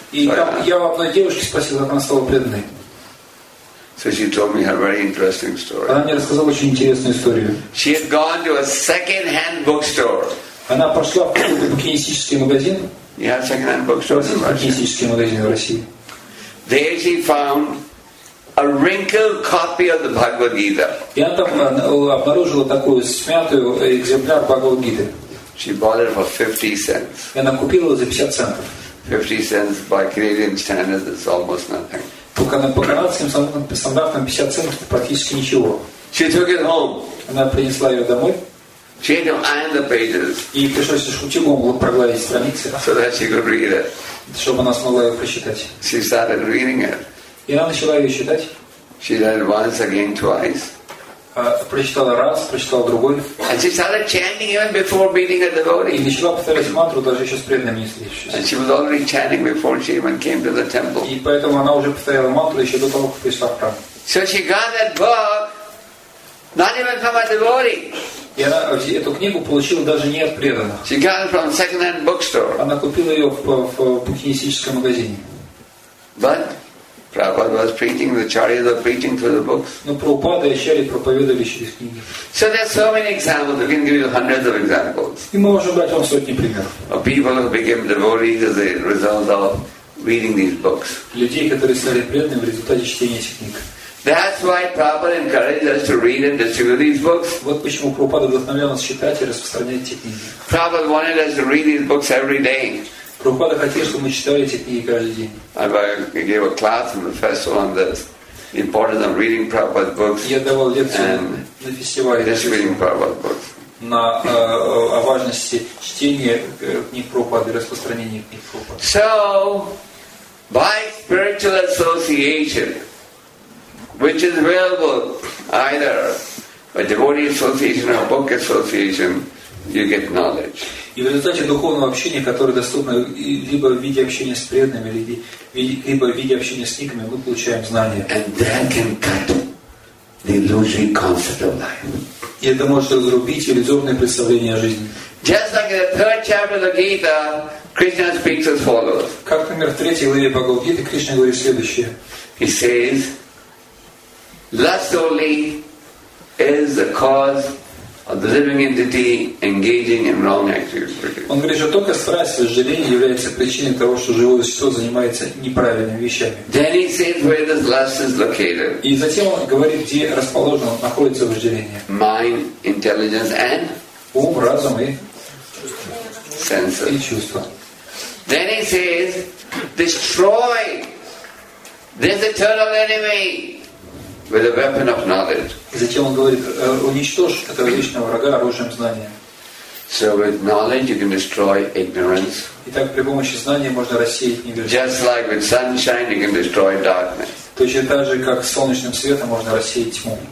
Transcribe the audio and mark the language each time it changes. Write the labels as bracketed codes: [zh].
[ru] И я у одной девушки спросил, как она стала преданной. [en] So she told me her very interesting story. [ru] Она мне рассказала очень интересную историю. [en] She had gone to a second-hand bookstore. [ru] Она пошла в какой-то букинистический магазин. [en] Yeah, second-hand bookstore. [ru] Букинистический магазин в России. [en] There she found a wrinkled copy of the Bhagavad Gita. [ru] И она там обнаружила такую смятую экземпляр Бхагавад Гиты. [en] She bought it for 50 cents. [ru] И она купила за 50 центов. [en] 50 cents by Canadian standards is almost nothing. [ru] Только по канадским стандартам 50 центов практически ничего. [en] She took it home. [ru] Она принесла ее домой. [en] She had to iron the pages. [ru] И пришлось утюгом прогладить страницы. [en] So that she could read it. [ru] Чтобы она смогла ее прочитать. [en] She started reading it. [ru] И она начала ее читать. [en] She read it once again, twice. [ru] Прочитала раз, прочитала другой. [en] And she started chanting even before meeting a devotee. [ru] И начала повторять мантру даже еще с преданным не встретившись. [en] And she was already chanting before she even came to the temple. [ru] И поэтому она уже повторяла мантру еще до того, как пришла в храм. [en] So she got that book, not even from a devotee. [ru] И она эту книгу получила даже не от преданных. [en] She got it from a second-hand bookstore. [ru] Она купила ее в букинистическом магазине. [en] But Prabhupada was preaching, the Acharyas were preaching through the books. [ru] Но Прабхупада и Ачарьи проповедовали через книги. [en] So there are so many examples. We can give you hundreds of examples. [ru] И мы можем дать вам сотни примеров. [en] Of people who became devotees as a result of reading these books. [ru] Людей, которые стали преданными в результате чтения этих книг. [en] That's why Prabhupada encouraged us to read and distribute these books. [ru] Вот почему Прабхупада вдохновлял нас читать и распространять эти книги. [en] Prabhupada wanted us to read these books every day. [ru] Прабхупада хотел, чтобы мы читали эти книги каждый день. [en] I gave a class on the festival on this, the importance of reading Prabhupada's books. [ru] Я давал лекцию на фестивале. [en] Distributing Prabhupada's books. [ru] На о важности чтения книг Прабхупады и распространения книг Прабхупады. [en] So, by spiritual association. Which is available either a devotee association or a book association, you get knowledge. [ru] И в результате духовного общения, которое доступно либо в виде общения с преданными, либо в виде общения с книгами, мы получаем знания. [en] And that can cut the illusory concept of life. [ru] И это может разрубить иллюзорное представление о жизни. [en] Just like in the third chapter of the Gita, Krishna speaks as follows. [ru] Как, например, в третьей главе Бхагавад-гиты Кришна говорит следующее. [en] He says, lust only is the cause of the living entity engaging in wrong activities. [ru] Он говорит, что только страсть, сожаление является причиной того, что живое существо занимается неправильными вещами. [en] Then he says where this lust is located. [ru] И затем он говорит, где расположено, находится вожделение. [en] Mind, intelligence, and [ru] ум, разум и [en] senses. [ru] И чувства. [en] Then he says, destroy this eternal enemy with a weapon of knowledge. [ru] Затем он говорит, уничтожь этого вечного врага оружием знания. [en] So with knowledge you can destroy ignorance. [ru] Итак, при помощи знания можно рассеять невежество. [en] Just like with sunshine you can destroy darkness. [ru] Точно так же, как солнечным светом можно рассеять тьму.